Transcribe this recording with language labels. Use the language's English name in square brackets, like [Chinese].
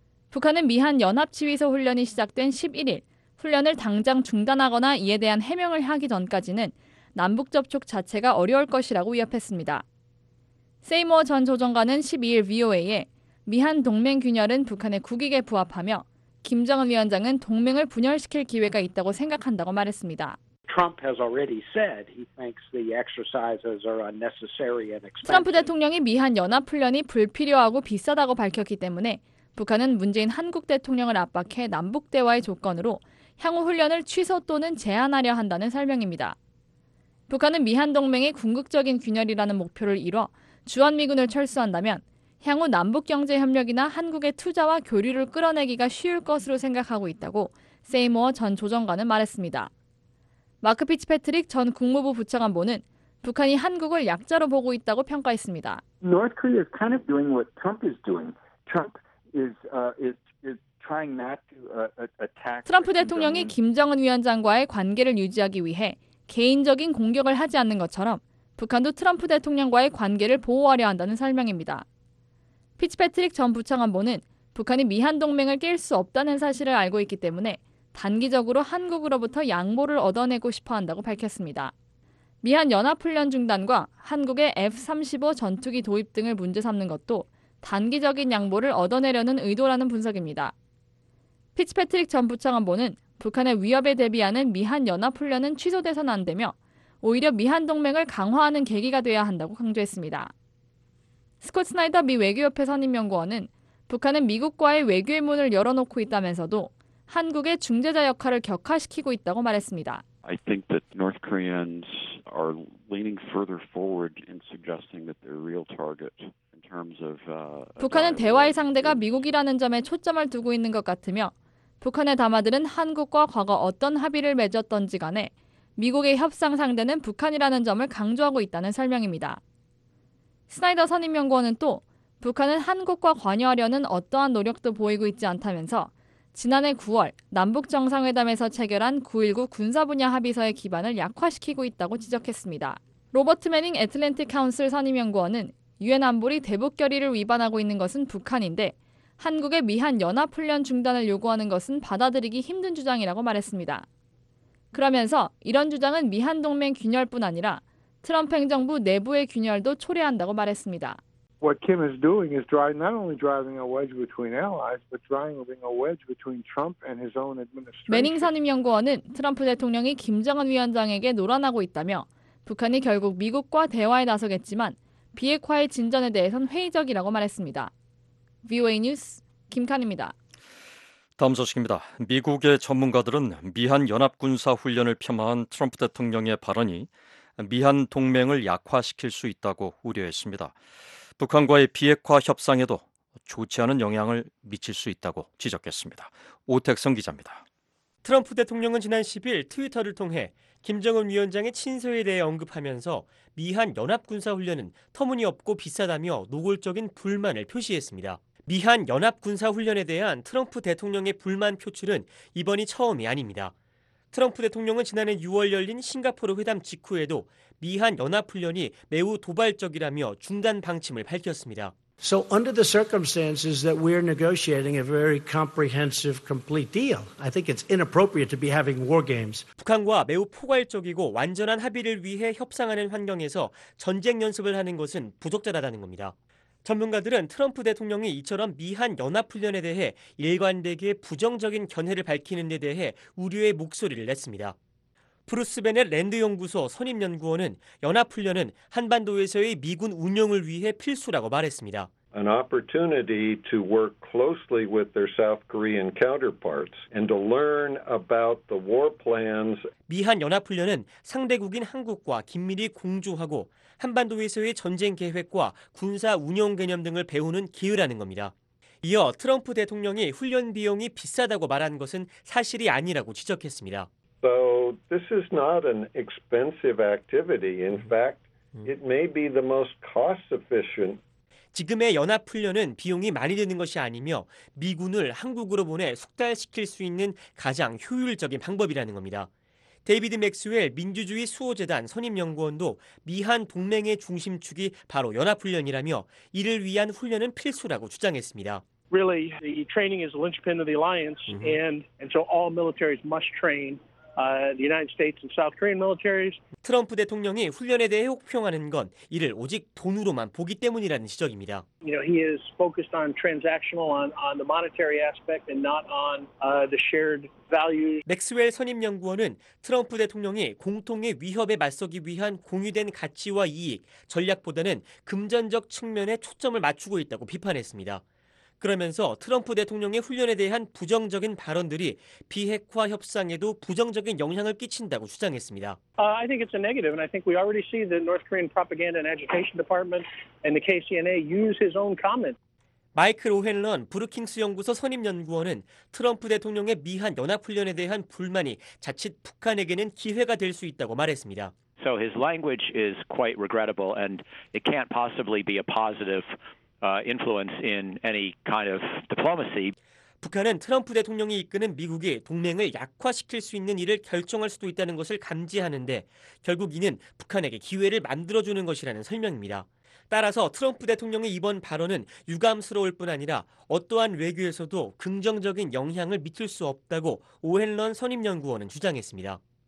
[Korean] 북한은 미한 연합지휘소 훈련이 시작된 11일 훈련을 당장 중단하거나 이에 대한 해명을 하기 전까지는 남북 접촉 자체가 어려울 것이라고 위협했습니다. 세이머 전 조정관은 12일 VOA에 미한 동맹 균열은 북한의 국익에 부합하며 김정은 위원장은 동맹을 분열시킬 기회가 있다고 생각한다고 말했습니다. [English] Trump has already said he thinks the exercises are unnecessary and expensive. [Korean] 트럼프 대통령이 미한 연합 훈련이 불필요하고 비싸다고 밝혔기 때문에 북한은 문재인 한국 대통령을 압박해 남북 대화의 조건으로 향후 훈련을 취소 또는 제한하려 한다는 설명입니다. 북한은 미한 동맹의 궁극적인 균열이라는 목표를 이뤄 주한 미군을 철수한다면 향후 남북 경제 협력이나 한국의 투자와 교류를 끌어내기가 쉬울 것으로 생각하고 있다고 세이머 전 조정관은 말했습니다. 마크 피츠패트릭 전 국무부 부차관보는 북한이 한국을 약자로 보고 있다고 평가했습니다. [English] North Korea is kind of doing what Trump is doing. Trump is trying not to attack. [Korean] 트럼프 대통령이 김정은 위원장과의 관계를 유지하기 위해 개인적인 공격을 하지 않는 것처럼 북한도 트럼프 대통령과의 관계를 보호하려 한다는 설명입니다. 피츠패트릭 전 부차관보는 북한이 미한 동맹을 깰 수 없다는 사실을 알고 있기 때문에 단기적으로 한국으로부터 양보를 얻어내고 싶어 한다고 밝혔습니다. 미한 연합훈련 중단과 한국의 F-35 전투기 도입 등을 문제 삼는 것도 단기적인 양보를 얻어내려는 의도라는 분석입니다. 피츠패트릭 전 부차관보는 북한의 위협에 대비하는 미한 연합훈련은 취소돼서는 안 되며 오히려 미한 동맹을 강화하는 계기가 돼야 한다고 강조했습니다. 스콧 스나이더 미 외교협회 선임연구원은 북한은 미국과의 외교의 문을 열어놓고 있다면서도 한국의 중재자 역할을 격화시키고 있다고 말했습니다. [English] I think that North Koreans are leaning further forward in suggesting that their real target in terms of [Korean] 북한은 대화의 상대가 미국이라는 점에 초점을 두고 있는 것 같으며 북한의 담화들은 한국과 과거 어떤 합의를 맺었던지 간에 미국의 협상 상대는 북한이라는 점을 강조하고 있다는 설명입니다. 스나이더 선임연구원은 또 북한은 한국과 관여하려는 어떠한 노력도 보이고 있지 않다면서 지난해 9월 남북정상회담에서 체결한 9.19 군사분야 합의서의 기반을 약화시키고 있다고 지적했습니다. 로버트 매닝 애틀랜틱 카운슬 선임연구원은 유엔 안보리 대북결의를 위반하고 있는 것은 북한인데 한국의 미한 연합훈련 중단을 요구하는 것은 받아들이기 힘든 주장이라고 말했습니다. 그러면서 이런 주장은 미한 동맹 균열뿐 아니라 트럼프 행정부 내부의 균열도 초래한다고 말했습니다. [English] What Kim is doing is driving not only driving a wedge between allies, but driving a wedge between Trump and his own administration. [Korean] 매닝 선임연구원은 트럼프 대통령이 김정은 위원장에게 노란하고 있다며 북한이 결국 미국과 대화에 나서겠지만 비핵화의 진전에 대해선 회의적이라고 말했습니다. VOA 뉴스 김칸입니다. 다음 소식입니다. 미국의 전문가들은 미한 연합군사 훈련을 폄하한 트럼프 대통령의 발언이 미한 동맹을 약화시킬 수 있다고 우려했습니다. 북한과의 비핵화 협상에도 좋지 않은 영향을 미칠 수 있다고 지적했습니다. 오택성 기자입니다. 트럼프 대통령은 지난 10일 트위터를 통해 김정은 위원장의 친서에 대해 언급하면서 미한 연합군사훈련은 터무니없고 비싸다며 노골적인 불만을 표시했습니다. 미한 연합군사훈련에 대한 트럼프 대통령의 불만 표출은 이번이 처음이 아닙니다. 트럼프 대통령은 지난해 6월 열린 싱가포르 회담 직후에도 미한 연합훈련이 매우 도발적이라며 중단 방침을 밝혔습니다. [English] So under the circumstances that we're negotiating a very comprehensive, complete deal, I think it's inappropriate to be having war games. [Korean] 북한과 매우 포괄적이고 완전한 합의를 위해 협상하는 환경에서 전쟁 연습을 하는 것은 부적절하다는 겁니다. 전문가들은 트럼프 대통령이 이처럼 미한 연합훈련에 대해 일관되게 부정적인 견해를 밝히는 데 대해 우려의 목소리를 냈습니다. 브루스베넷 랜드연구소 선임연구원은 연합훈련은 한반도에서의 미군 운영을 위해 필수라고 말했습니다. [English] An opportunity to work closely with their South Korean counterparts and to learn about the war plans. [Korean] 미한 연합훈련은 상대국인 한국과 긴밀히 공조하고 한반도에서의 전쟁 계획과 군사 운영 개념 등을 배우는 기회라는 겁니다. 이어 트럼프 대통령이 훈련 비용이 비싸다고 말한 것은 사실이 아니라고 지적했습니다. [English] So this is not an expensive activity. In fact, it may be the most cost efficient. [Korean] 지금의 연합훈련은 비용이 많이 드는 것이 아니며 미군을 한국으로 보내 숙달시킬 수 있는 가장 효율적인 방법이라는 겁니다. 데이비드 맥스웰 민주주의 수호재단 선임연구원도 미한 동맹의 중심축이 바로 연합훈련이라며 이를 위한 훈련은 필수라고 주장했습니다. [English] Really, the training is the linchpin of the alliance, and so all militaries must train. The United States and South Korean militaries. [Korean] 트럼프 대통령이 훈련에 대해 혹평하는 건 이를 오직 돈으로만 보기 때문이라는 지적입니다. [English] You know, he is focused on transactional on the monetary aspect and not on the shared values. [Korean] 맥스웰 선임 연구원은 트럼프 대통령이 공통의 위협에 맞서기 위한 공유된 가치와 이익, 전략보다는 금전적 측면에 초점을 맞추고 있다고 비판했습니다. 그러면서 트럼프 대통령의 훈련에 대한 부정적인 발언들이 비핵화 협상에도 부정적인 영향을 끼친다고 주장했습니다. [English] I think it's a negative and I think we already see the North Korean propaganda and education department and the KCNA use his own comments. [Korean] 마이클 오헨런 브루킹스 연구소 선임 연구원은 트럼프 대통령의 미한 연합 훈련에 대한 불만이 자칫 북한에게는 기회가 될 수 있다고 말했습니다. [English] So his language is quite regrettable and it can't possibly be a positive influence in any kind of diplomacy. [Korean] 북한은 트럼프 대통령이 이끄는 미국이 동맹을 약화시킬 수 있는 일을 결정할 수도 있다는 것을 감지하는데 결국 이는 북한에게 기회를 만들어주는 것이라는 설명입니다. 따라서 트럼프 대통령의 이번 발언은 유감스러울 뿐 아니라 어떠한 외교에서도 긍정적인 영향을 미칠 수 없다고 오헨런 선임연구원은 주장했습니다.